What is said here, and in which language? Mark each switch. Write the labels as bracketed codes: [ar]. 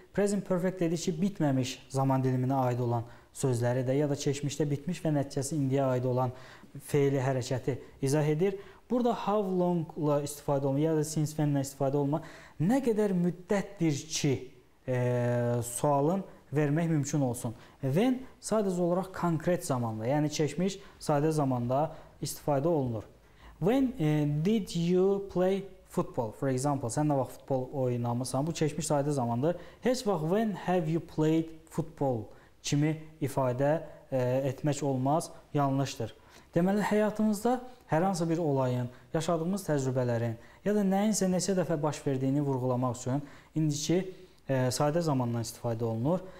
[az] Present perfect dedi ki, bitməmiş zaman diliminə aid olan sözləri də ya da keçmişdə bitmiş və nəticəsi indiyə aid olan feili hərəkəti izah edir. Burada how long ile istifadə olma ya da since when ile istifadə olma nə qədər müddətdir ki sualın vermək mümkün olsun. When sadəcə olaraq konkret zamanda, yəni keçmiş sadə zamanda istifadə olunur. [en] When did you play football? For example, [az] sən nə vaxt futbol oynamışsan? Bu keçmiş sadə zamandır. Heç vaxt [en] when have you played football [az] kimi ifadə etmək olmaz, yanlışdır. Deməli, həyatımızda hər hansı bir olayın, yaşadığımız təcrübələrin ya da nəyinsə neçə dəfə baş verdiyini vurğulamaq üçün indiki sadə zamandan istifadə olunur.